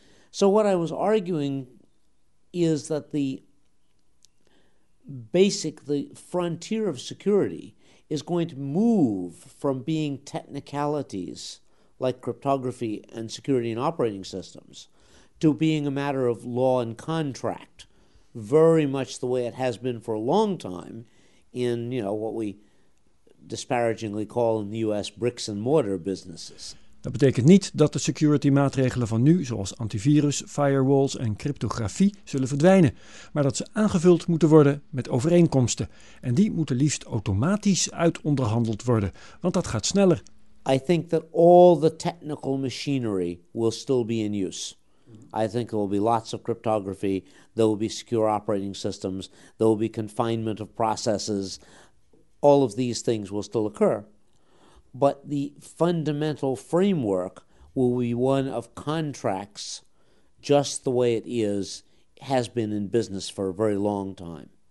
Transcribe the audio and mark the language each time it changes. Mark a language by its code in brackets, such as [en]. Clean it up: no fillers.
[en] So what I was arguing is that the basic, the frontier of security is going to move from being technicalities like cryptography and security and operating systems to being a matter of law and contract, very much the way it has been for a long time in, you know, what we disparagingly call in the US bricks and mortar businesses. [nl] Dat betekent niet dat de security maatregelen van nu, zoals antivirus, firewalls en cryptografie, zullen verdwijnen, maar dat ze aangevuld moeten worden met overeenkomsten. En die moeten liefst automatisch uitonderhandeld worden, want dat gaat sneller. [en] I think that all the technical machinery will still be in use. I think there will be lots of cryptography, there will be secure operating systems, there will be confinement of processes. All of these things will still occur. But the fundamental framework will be one of contracts, just the way it is, has been in business for a very long time.